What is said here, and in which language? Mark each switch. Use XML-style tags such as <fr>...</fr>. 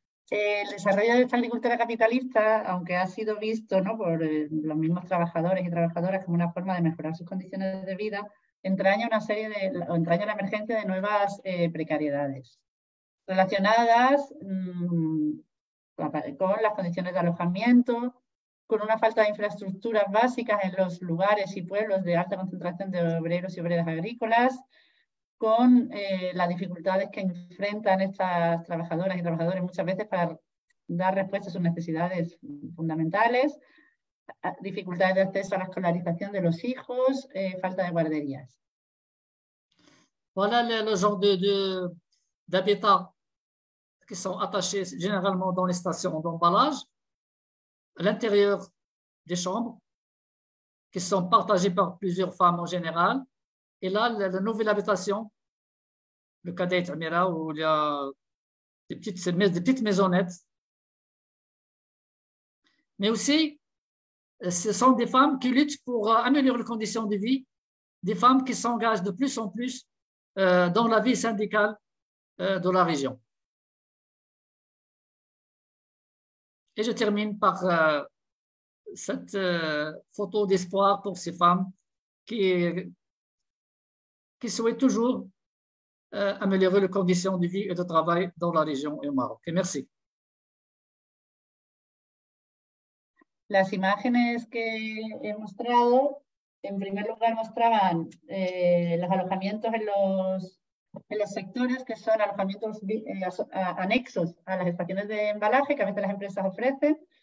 <es>El desarrollo de esta agricultura capitalista, aunque ha sido visto, ¿no?, por los mismos trabajadores y trabajadoras como una forma de mejorar sus condiciones de vida, entraña la emergencia de nuevas precariedades relacionadas con las condiciones de alojamiento, con una falta de infraestructuras básicas en los lugares y pueblos de alta concentración de obreros y obreras agrícolas, con las dificultades que enfrentan estas trabajadoras y trabajadores muchas veces para dar respuesta a sus necesidades fundamentales, dificultades de acceso a la escolarización de los hijos, falta de guarderías.</es> <fr>Voilà le genre d'habitats qui sont attachés généralement dans les stations d'emballage, à l'intérieur des chambres, qui sont partagées par plusieurs femmes en général. Et là, la nouvelle habitation, le cadet Amira, où il y a des petites maisonnettes. Mais aussi, ce sont des femmes qui luttent pour améliorer les conditions de vie, des femmes qui s'engagent de plus en plus dans la vie syndicale de la région. Et je termine par cette photo d'espoir pour ces femmes qui souhaitent toujours améliorer les conditions de vie et de travail dans la région et au Maroc. Et merci.</fr> <es>Las imágenes que he mostrado, en primer lugar, mostraban los alojamientos en los sectores que son alojamientos anexos a las estaciones de embalaje que a veces las empresas ofrecen.</es>